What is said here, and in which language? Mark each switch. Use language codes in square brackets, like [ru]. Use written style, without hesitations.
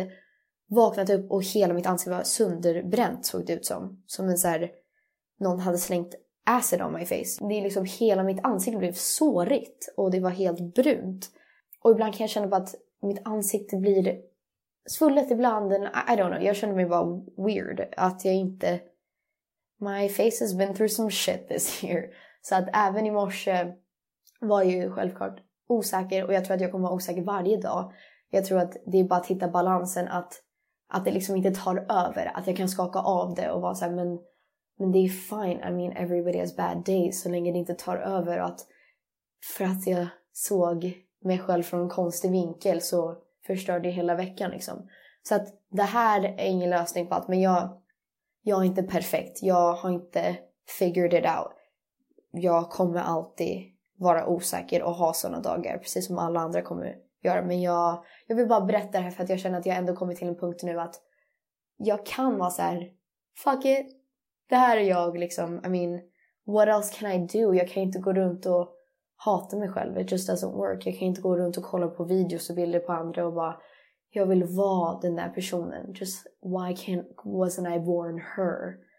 [sv] Jag hade vaknat upp och hela mitt ansikte var sönderbränt, såg det ut som. Som en så här, någon hade slängt [en] acid on my face. [sv] Det är liksom hela mitt ansikte blev sårigt och det var helt brunt. Och ibland kan jag känna på att mitt ansikte blir svullet ibland. [en] I don't know. [sv] Jag känner mig bara weird. Att jag inte... [en] My face has been through some shit this year. [sv] Så att även i morse var jag ju självklart osäker. Och jag tror att jag kommer vara osäker varje dag. Jag tror att det är bara att hitta balansen. Att det liksom inte tar över. Att jag kan skaka av det och vara så här, men det är fine. [en] I mean, everybody has bad days. [sv] Så länge det inte tar över. Och att för att jag såg mig själv från en konstig vinkel så förstör det hela veckan liksom. Så att det här är ingen lösning på allt, men jag är inte perfekt. Jag har inte [en] figured it out. [sv] Jag kommer alltid vara osäker och ha såna dagar, precis som alla andra kommer göra. Men jag vill bara berätta det här för att jag känner att jag ändå kommit till en punkt nu att jag kan vara så här: [en] fuck it, [sv] det här är jag liksom. [en] I mean, what else can I do? [sv] Jag kan inte gå runt och hata mig själv, [en] it just doesn't work. [sv] Jag kan inte gå runt och kolla på videos och bilder på andra och bara, jag vill vara den där personen. [en] Just, why wasn't I born her?